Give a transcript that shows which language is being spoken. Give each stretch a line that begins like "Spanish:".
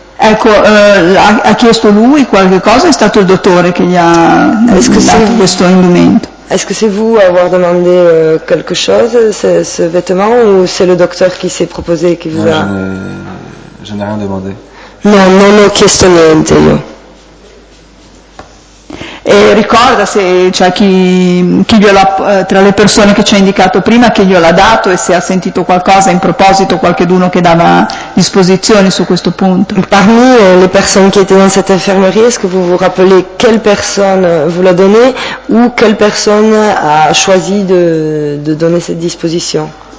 Italian: Ecco, ha chiesto lui qualche cosa? È stato il dottore che gli ha dato questo indumento?
French: Est-ce que c'est vous avoir demandé quelque chose, ce vêtement, ou c'est le docteur qui s'est proposé, qui vous a... Je n'ai rien demandé.
Italian: Non, non ho chiesto niente io. E ricorda se c'è chi gliel'ha, tra le persone che ci ha indicato prima, chi gliel'ha dato e se ha sentito qualcosa in proposito, qualcheduno che dava disposizioni su questo punto.
French: Parmi le
Italian: persone che
French: étaient dans cette infirmerie, est-ce que vous vous rappelez quelle personne vous l'a donné ou quelle personne a choisi de donner cette disposition?